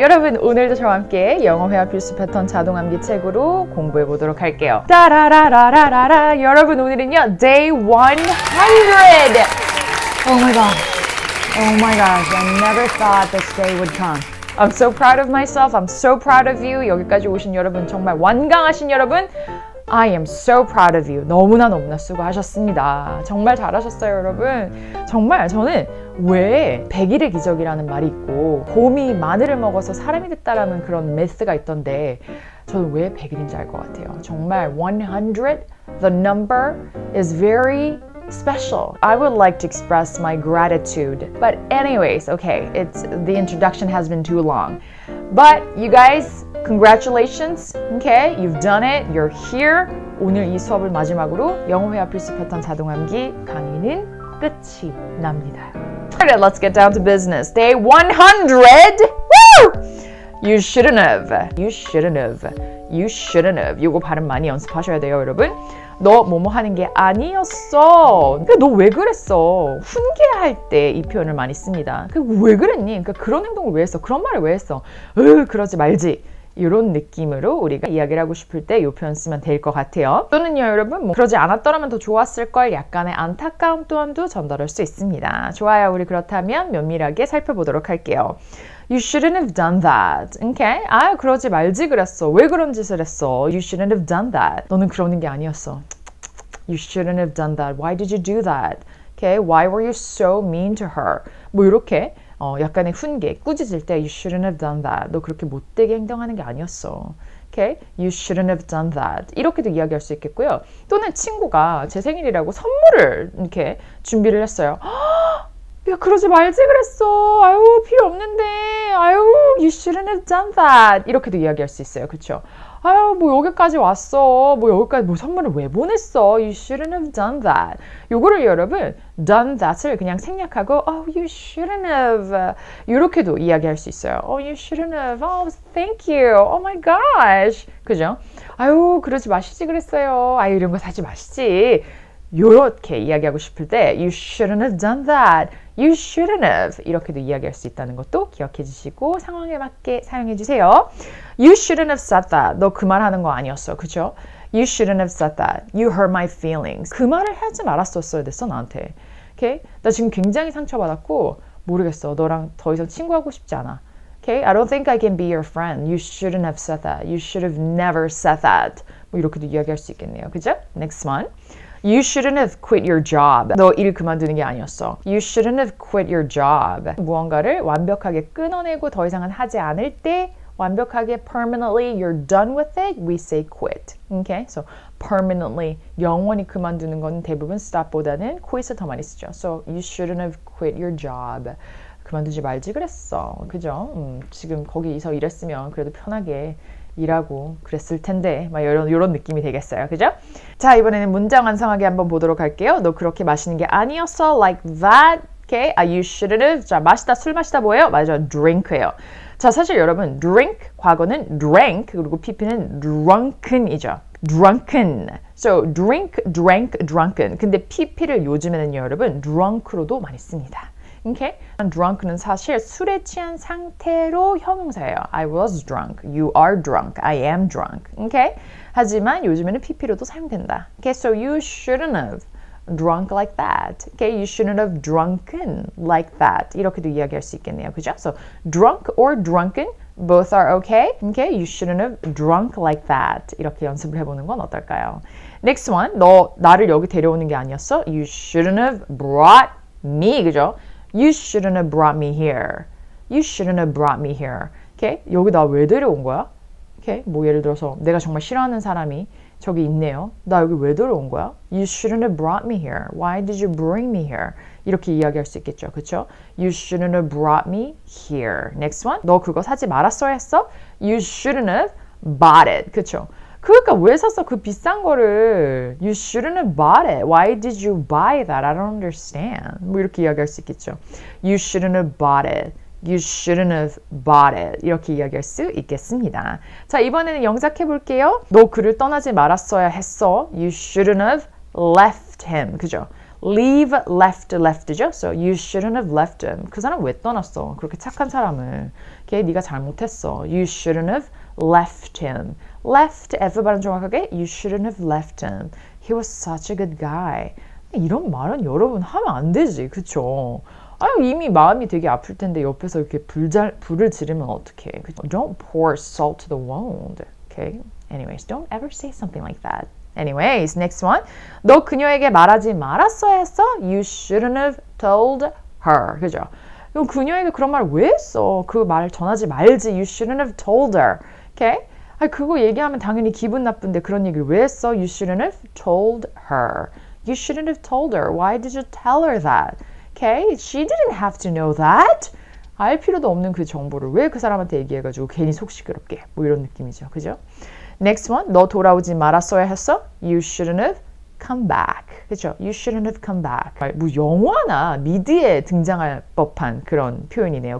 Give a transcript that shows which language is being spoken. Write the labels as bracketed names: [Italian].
[Korean] 여러분 오늘도 저와 함께 영어 회화 필수 패턴 자동 암기 책으로 공부해 보도록 할게요. 따라라라라라라. 여러분 오늘은요 [English] day 100. Oh my god. Oh my god. I never thought this day would come. I'm so proud of myself. I'm so proud of you. [Korean] 여기까지 오신 여러분 정말 완강하신 여러분. [English] I am so proud of you. [Korean] 너무나 너무나 수고하셨습니다. 정말 잘하셨어요, 여러분. 정말 저는 왜 100일의 기적이라는 말이 있고 곰이 마늘을 먹어서 사람이 됐다라는 그런 메시지가 있던데 저는 왜 100일인지 알 것 같아요. [English] 정말 100, the number is very special. I would like to express my gratitude. But anyways, okay, the introduction has been too long. But you guys, congratulations. Okay, you've done it. You're here. [Korean] 오늘 이 수업을 마지막으로 영어 회화 필수 패턴 자동 암기 강의는 끝이 납니다. [English] Alright, let's get down to business. Day 100. Woo! You shouldn't have. You shouldn't have. You shouldn't have. [Korean] 이거 발음 많이 연습하셔야 돼요, 여러분. 너 뭐뭐 하는 게 아니었어. 그러니까 너 왜 그랬어? 훈계할 때 이 표현을 많이 씁니다. 그러니까 왜 그랬니? 그러니까 그런 행동을 왜 했어? 그런 말을 왜 했어? 그러지 말지. 이런 느낌으로 우리가 이야기를 하고 싶을 때 이 표현 쓰면 될 것 같아요. 또는요, 여러분, 뭐 그러지 않았더라면 더 좋았을 걸 약간의 안타까움 또한도 전달할 수 있습니다. 좋아요. 우리 그렇다면 면밀하게 살펴보도록 할게요. [English] You shouldn't have done that. [Korean] Okay? 아, 그러지 말지 그랬어. 왜 그런 짓을 했어? [English] You shouldn't have done that. [Korean] 너는 그러는 게 아니었어. [English] You shouldn't have done that. Why did you do that? Okay? Why were you so mean to her? [Korean] 뭐 이렇게 약간의 훈계, 꾸짖을 때 [English] You shouldn't have done that. [Korean] 너 그렇게 못되게 행동하는 게 아니었어. [English] Okay? You shouldn't have done that. [Korean] 이렇게도 이야기할 수 있겠고요. 또는 친구가 제 생일이라고 선물을 이렇게 준비를 했어요. 야, 그러지 말지 그랬어. 아유, 필요 없는데. [English] 아유, you shouldn't have done that. [Korean] 이렇게도 이야기할 수 있어요. 그쵸? 아유, 뭐 여기까지 왔어. 뭐 여기까지 뭐 선물을 왜 보냈어. [English] You shouldn't have done that. [Korean] 요거를 여러분, [English] done that을 [Korean] 그냥 생략하고 [English] oh, you shouldn't have. [Korean] 이렇게도 이야기할 수 있어요. [English] Oh, you shouldn't have. Oh, thank you. Oh my gosh. 그죠? [Korean] 아유, 그러지 마시지 그랬어요. 아유, 이런 거 사지 마시지. 요렇게 이야기하고 싶을 때 [English] You shouldn't have done that. You shouldn't have. [Korean] 이렇게도 이야기할 수 있다는 것도 기억해 주시고 상황에 맞게 사용해 주세요. [English] You shouldn't have said that. [Korean] 너 그 말 하는 거 아니었어. 그쵸? [English] You shouldn't have said that. You hurt my feelings. [Korean] 그 말을 하지 말았었어야 됐어, 나한테. [English] Okay? [Korean] 나 지금 굉장히 상처받았고 모르겠어. 너랑 더 이상 친구하고 싶지 않아. [English] Okay? I don't think I can be your friend. You shouldn't have said that. You should have never said that. [Korean] 뭐 이렇게도 이야기할 수 있겠네요. [English] 그쵸? Next one. You shouldn't have quit your job. [Korean] 너 일 그만두는 게 아니었어. [English] You shouldn't have quit your job. [Korean] 무언가를 완벽하게 끊어내고 더 이상은 하지 않을 때 완벽하게 [English] permanently you're done with it, we say quit. Okay? So permanently, [Korean] 영원히 그만두는 건 대부분 stop보다는 quit을 더 많이 쓰죠. [English] So you shouldn't have quit your job. [Korean] 그만두지 말지 그랬어. 그죠? 지금 거기서 일했으면 그래도 편하게 일하고 그랬을 텐데 막 이런 느낌이 되겠어요. 그죠? 자, 이번에는 문장 완성하기 한번 보도록 할게요. 너 그렇게 마시는 게 아니었어. [English] Like that. Okay? You shouldn't have. [Korean] 자, 마시다, 술 마시다 뭐예요? 맞아, drink예요. 자, 사실 여러분 drink, 과거는 drank, 그리고 PP는 drunken이죠. [English] Drunken. So drink, drank, drunken. [Korean] 근데 PP를 요즘에는 여러분 drunk로도 많이 씁니다. [English] Okay? [Korean] Drunk는 사실 술에 취한 상태로 형용사예요. [English] I was drunk. You are drunk. I am drunk. Okay? [Korean] 하지만 요즘에는 PP로도 사용된다. [English] Okay? So you shouldn't have drunk like that. Okay? You shouldn't have drunken like that. [Korean] 이렇게도 이야기할 수 있겠네요. 그죠? [English] So drunk or drunken, both are okay. Okay? You shouldn't have drunk like that. [Korean] 이렇게 연습을 해보는 건 어떨까요? [English] Next one. [Korean] 너 나를 여기 데려오는 게 아니었어? [English] You shouldn't have brought me. [Korean] 그죠? [English] You shouldn't have brought me here. You shouldn't have brought me here. [Korean] Okay? 여기 나 왜 데려온 거야? Okay? 뭐 예를 들어서 내가 정말 싫어하는 사람이 저기 있네요. 나 여기 왜 데려온 거야? [English] You shouldn't have brought me here. Why did you bring me here? [Korean] 이렇게 이야기할 수 있겠죠. 그쵸? [English] You shouldn't have brought me here. Next one. [Korean] 너 그거 사지 말았어야 했어? [English] You shouldn't have bought it. [Korean] 그쵸? 그러니까 왜 샀어? 그 비싼 거를. [English] You shouldn't have bought it. Why did you buy that? I don't understand. [Korean] 뭐 이렇게 이야기할 수 있겠죠. [English] You shouldn't have bought it. You shouldn't have bought it. [Korean] 이렇게 이야기할 수 있겠습니다. 자, 이번에는 영작해 볼게요. 너 그를 떠나지 말았어야 했어. [English] You shouldn't have left him. [Korean] 그죠? [English] leave left, left죠? So you shouldn't have left him. [Korean] 그 사람 왜 떠났어? 그렇게 착한 사람을. 걔 네가 잘못했어. [English] You shouldn't have left him. [Korean] Left, F 발음 정확하게. [English] You shouldn't have left him. He was such a good guy. [Korean] 이런 말은 여러분 하면 안 되지, 그쵸? 아유, 이미 마음이 되게 아플 텐데 옆에서 이렇게 불을 지르면 어떡해. [English] 그쵸? Don't pour salt to the wound. Okay? Anyways, don't ever say something like that. Anyways, next one. [Korean] 너 그녀에게 말하지 말았어야 했어? [English] You shouldn't have told her. [Korean] 그죠? 그럼 그녀에게 그런 말을 왜 했어? 그 말을 전하지 말지. [English] You shouldn't have told her. Okay? [Korean] 아, 그거 얘기하면 당연히 기분 나쁜데 그런 얘기를 왜 했어? [English] You shouldn't have told her. You shouldn't have told her. Why did you tell her that? Okay? She didn't have to know that. [Korean] 알 필요도 없는 그 정보를 왜 그 사람한테 얘기해가지고 괜히 속 시끄럽게. 뭐 이런 느낌이죠. 그죠? [English] Next one. [Korean] 너 돌아오지 말았어야 했어? [English] You shouldn't have come back. [Korean] 그쵸? [English] You shouldn't have come back. [Korean] 뭐 영화나 미드에 등장할 법한 그런 표현이네요.